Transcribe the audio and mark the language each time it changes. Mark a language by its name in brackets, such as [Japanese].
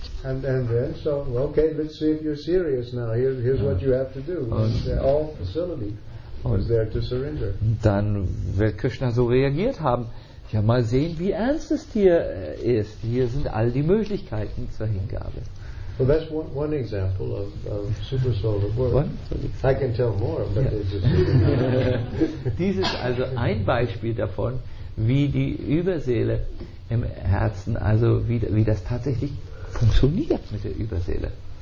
[English] And then, so, okay, let's see if you're serious now. Here's what you have to do. All facility is there to surrender. [German] Dann wird Krishna so reagiert haben. Ja, mal sehen, wie ernst es hier ist. Hier sind all die Möglichkeiten zur Hingabe. [English] Well, that's one example of super soul of work. I can tell more, but yeah. It's just [German] dies ist also ein Beispiel davon, wie die Überseele im Herzen, also wie das tatsächlich funktioniert mit der Überseele.